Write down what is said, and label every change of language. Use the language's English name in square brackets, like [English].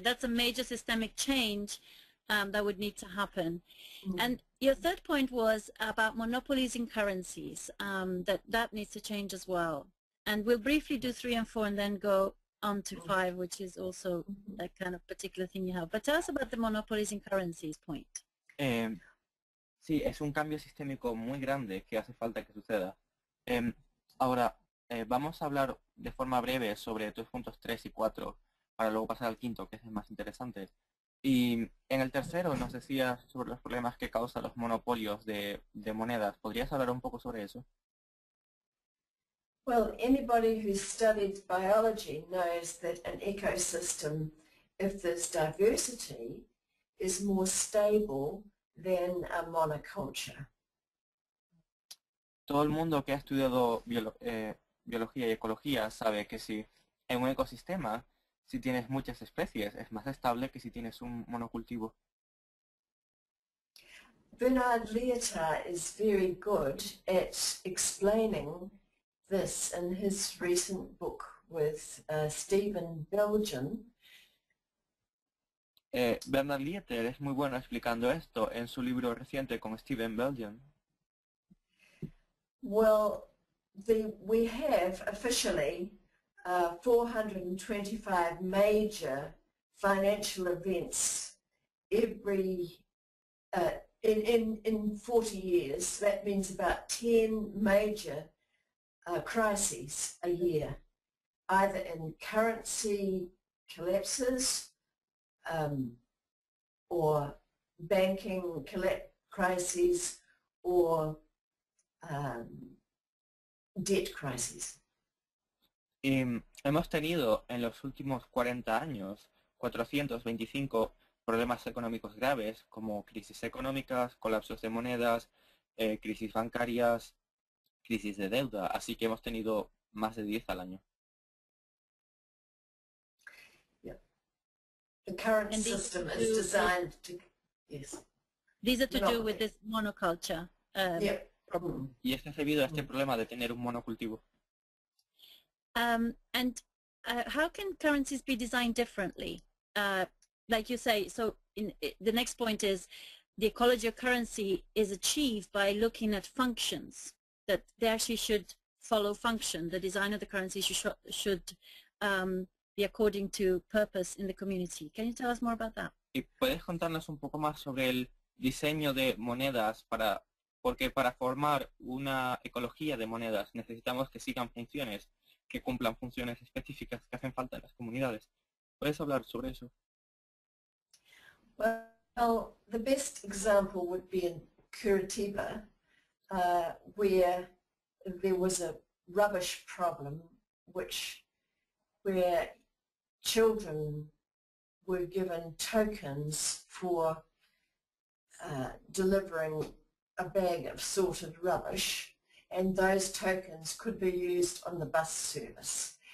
[English] That's a major systemic change that would need to happen. Mm-hmm. And your third point was about monopolies in currencies, that needs to change as well. And we'll briefly do 3 and 4 and then go on to 5, which is also that kind of particular thing you have. But tell us about the monopolies in currencies point. [Spanish] Sí, es un cambio sistémico muy grande que hace falta que suceda. Ahora, vamos a hablar de forma breve sobre tus puntos 3 y 4, para luego pasar al quinto, que es el más interesante. Y en el tercero nos decías sobre los problemas que causan los monopolios de monedas. ¿Podrías hablar un poco sobre eso? [English] Well, anybody who's studied biology knows that an ecosystem, if there's diversity, is more stable than a monoculture. [Spanish] Todo el mundo que ha estudiado biología y ecología sabe que si en un ecosistema, si tienes muchas especies, es más estable que si tienes un monocultivo. [English] Bernard Lyotard is very good at explaining this in his recent book with Stephen Belgian. [Spanish] Bernard Lyotard es muy bueno explicando esto en su libro reciente con Stephen Belgian. [English] Well, we have officially 425 major financial events every in 40 years. That means about 10 major crises a year, either in currency collapses or banking crises or debt crises. [Spanish] Hemos tenido en los últimos 40 años 425 problemas económicos graves, como crisis económicas, colapsos de monedas, crisis bancarias, crisis de deuda. Así que hemos tenido más de 10 al año. [English] The current and system is designed to, These are to do with this monoculture problem. [Spanish] Y esto es debido a este problema de tener un monocultivo. [English] And how can currencies be designed differently? Like you say, so in, the next point is the ecology of currency is achieved by looking at functions, that they actually should follow function. The design of the currency should be according to purpose in the community. Can you tell us more about that? [Spanish] ¿Y puedes contarnos un poco más sobre el diseño de monedas para, porque para formar una ecología de monedas necesitamos que sigan funciones, que cumplan funciones específicas que hacen falta en las comunidades. ¿Puedes hablar sobre eso? [English] Well, the best example would be in Curitiba, where there was a rubbish problem, where children were given tokens for delivering a bag of sorted rubbish, and those tokens could be used on the bus service.